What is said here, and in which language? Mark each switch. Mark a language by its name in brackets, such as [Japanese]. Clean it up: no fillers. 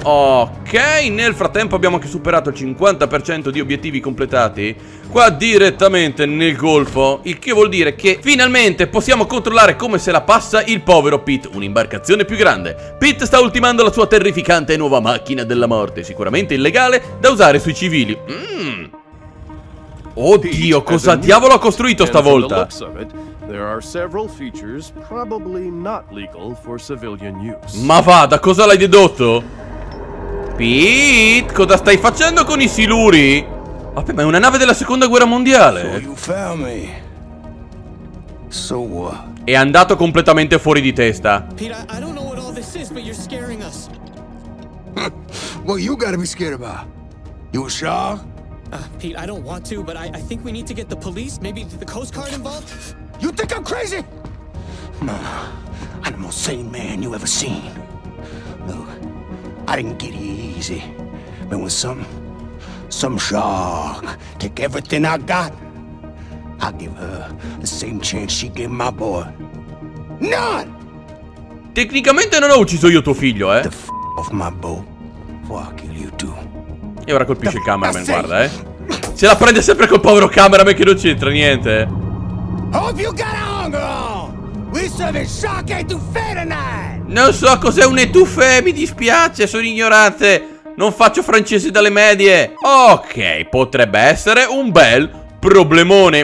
[Italian] Ok, nel frattempo abbiamo anche superato il 50% di obiettivi completati qua direttamente nel golfo, il che vuol dire che finalmente possiamo controllare come se la passa il povero Pit. Un'imbarcazione più grande. Pit sta ultimando la sua terrificante nuova macchina della morte, sicuramente illegale da usare sui civili. Oddio, cosa diavolo ha costruito stavolta? [English] There are several features probably not legal for civilian use. [Italian] Ma va, da cosa l'hai dedotto? Pete, cosa stai facendo con i siluri? Vabbè, ma è una nave della Seconda Guerra Mondiale. [English] So what? [Italian] È andato completamente fuori di testa. [English] Pete, I don't know what all this is, but you're scaring us. Well, you gotta be scared about. You a Shaw? Pete, I don't want to, but I think we need to get the police, maybe the Coast Guard involved. You think I'm crazy? No, I'm the most sane man you ever seen. Look, I didn't get it easy. But when some shark take everything I got, I'll give her the same chance she gave my boy. None! [Italian] Tecnicamente non ho ucciso io tuo figlio, eh? [English] The f*** off my boat, before I kill you too. [Italian] E ora colpisce il cameraman, guarda, eh. Se la prende sempre col povero cameraman che non c'entra niente. [English] Hope you got hunger. We serve a shark étouffé tonight. [Italian] Non so cos'è un étouffé, mi dispiace, sono ignorante. Non faccio francese dalle medie. Ok, potrebbe essere un bel problemone.